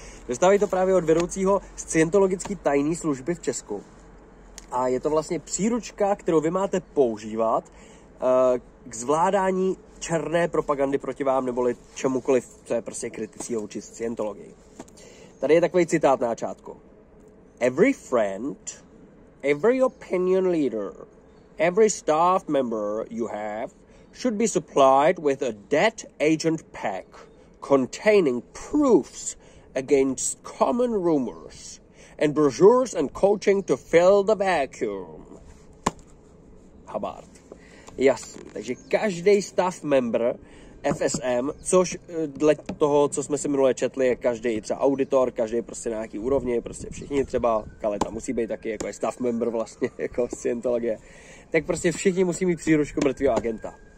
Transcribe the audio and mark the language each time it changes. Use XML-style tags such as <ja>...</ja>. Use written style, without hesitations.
<cs>Dostávají to právě od vedoucího scientologický tajný služby v Česku. A je to vlastně příručka, kterou vy máte používat k zvládání černé propagandy proti vám, neboli čemukoliv, co je prostě kritický vůči scientologii. Tady je takový citát na začátku.</cs> <en>Every friend, every opinion leader, every staff member you have, should be supplied with a debt agent pack containing proofs against common rumors and brochures and coaching to fill the vacuum.</en> <cs>Habart. Jasný. Takže každý staff member FSM, což dle toho, co jsme si minule četli, je každý třeba auditor, každý prostě na nějaký úrovni, prostě všichni třeba, Kaleta musí být taky jako staff member vlastně, jako scientologie, tak prostě všichni musí mít příručku mrtvýho agenta.</cs>